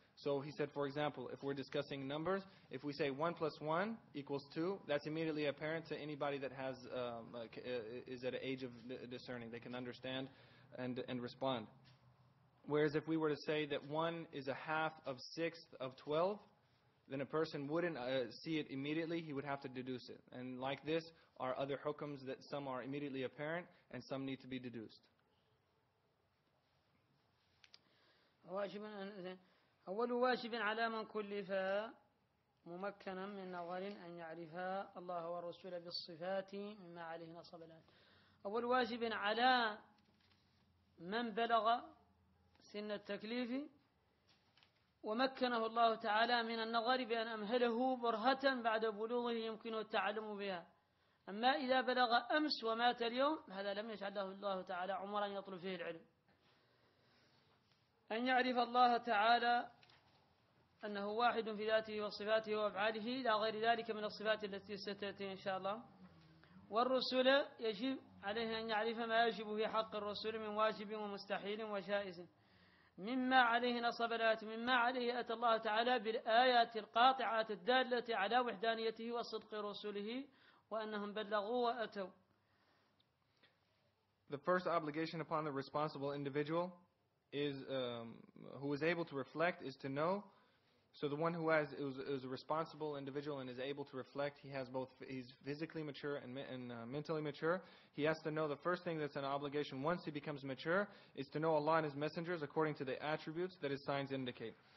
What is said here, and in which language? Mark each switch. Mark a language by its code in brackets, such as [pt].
[en] So he said, for example, if we're discussing numbers, if we say 1 + 1 = 2, that's immediately apparent to anybody that has is at an age of discerning; they can understand and respond. Whereas if we were to say that 1 ÷ 1/6 = 12, then a person wouldn't see it immediately; he would have to deduce it. And like this are other hukums, that some are immediately apparent and some need to be deduced. [ar] واجب أن إذن أول واجب على من كلف ممكنا من نظر أن يعرف الله والرسول بالصفات مما عليه نصب الآن. أول واجب على من بلغ سن التكليف ومكنه الله تعالى من النظر بأن أمهله برهة بعد بلوغه يمكنه التعلم بها. أما إذا بلغ أمس ومات اليوم هذا لم يجعله الله تعالى عمرا يطلب فيه العلم. أن يعرف الله تعالى أنه واحد في ذاته وصفاته وأفعاله لا غير ذلك من الصفات التي ستأتي إن شاء الله. والرسول يجب عليه أن يعرف ما يجب في حق الرسول من واجب ومستحيل وجائز. مما عليه نصب الآيات، مما عليه أتى الله تعالى بالآيات القاطعات الدالة على وحدانيته وصدق رسوله وأنهم بلغوا وأتوا. [en] The first obligation upon the responsible individual is who is able to reflect is to know. So the one who is a responsible individual and is able to reflect, he has both, he's physically mature and mentally mature. He has to know the first thing that's an obligation once he becomes mature is to know Allah and His messengers according to the attributes that His signs indicate.